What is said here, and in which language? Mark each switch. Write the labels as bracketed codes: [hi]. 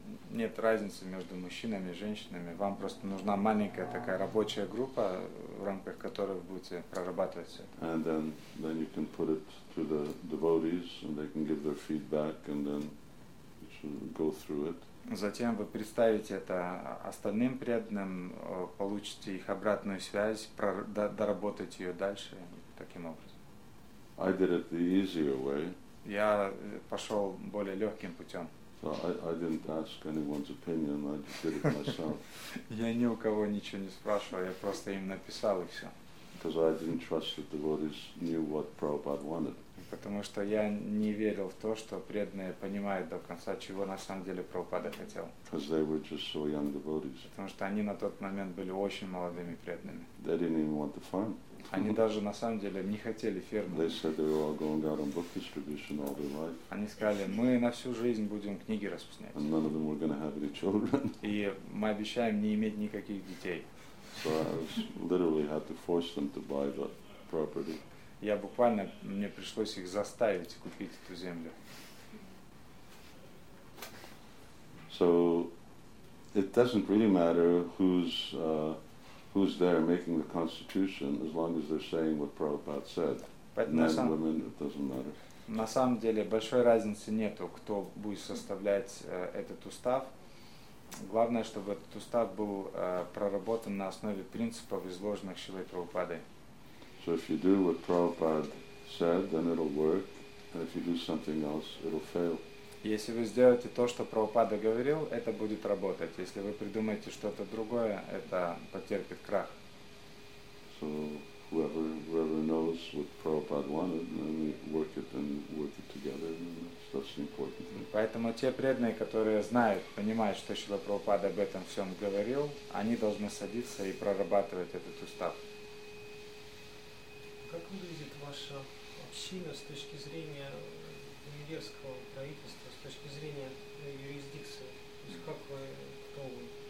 [ru] Нет разницы между мужчинами и женщинами. Вам просто нужна маленькая такая рабочая группа, в рамках которой вы будете прорабатывать все это. [en] And then you can put it to the devotees, and they can give their feedback, and then you should go through it. [ru] Затем вы представите это остальным преданным, получите их обратную связь, доработайте ее дальше таким образом. [en] I did it the easier way. [ru] Я пошел более легким путем. [en] So I didn't ask anyone's opinion, I just did it myself. [ru] Я ни у кого ничего не спрашивал, я просто им написал и все. [en] Because I didn't trust that the devotees knew what Prabhupada wanted. [ru] Потому что я не верил в то, что преданные понимают до конца, чего на самом деле Прабхупада хотел. [en] Because they were just so young devotees. [ru] Потому что они на тот момент были очень молодыми преданными. [en] They didn't even want the farm. [ru] Они даже на самом деле не хотели фермы. [en] They said they were all going out on book distribution all their life. [ru] Они сказали, мы на всю жизнь будем книги распространять. [en] And none of them were going to have any children. [ru] И мы обещаем не иметь никаких детей. [en] So I literally had to force them to buy the property. [ru] Я буквально, мне пришлось их заставить купить эту землю. [en] So it doesn't really matter who's there making the constitution, as long as they're saying what Prabhupada said. Men, women, it doesn't matter. [ru] На самом деле большой разницы нету, кто будет составлять этот устав. Главное, чтобы этот устав был проработан на основе принципов, изложенных Шрилой Прабхупадой. [en] So if you do what Prabhupada said, then it'll work, and if you do something else, it'll fail. [ru] Если вы сделаете то, что Прабхупада говорил, это будет работать. Если вы придумаете что-то другое, это потерпит крах. [en] So whoever knows what Prabhupada wanted, then we work it together, and that's the important thing. [ru] Поэтому те преданные, которые знают, понимают, что Шрила Прабхупада об этом всем говорил, они должны садиться и прорабатывать этот устав. Как выглядит ваша община с точки зрения венгерского правительства, с точки зрения юрисдикции? То есть как вы, кто вы?